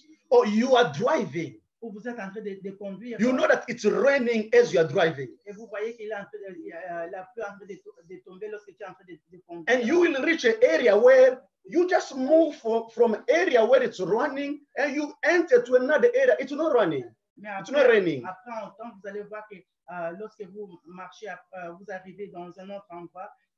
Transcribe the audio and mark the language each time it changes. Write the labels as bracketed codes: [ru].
[en] Oh, you are driving. [fr] où vous êtes en train de conduire. [en] You know that it's raining as you are driving. [fr] Et vous voyez qu'il est en train de la pluie en train de tomber lorsque tu es en train de conduire. [en] And you will reach an area where you just move from area where it's running and you enter to another area. It's not running. [fr] Mais après, [en] it's not raining. [fr] Après un temps, vous allez voir que lorsque vous marchez, vous arrivez dans un autre endroit.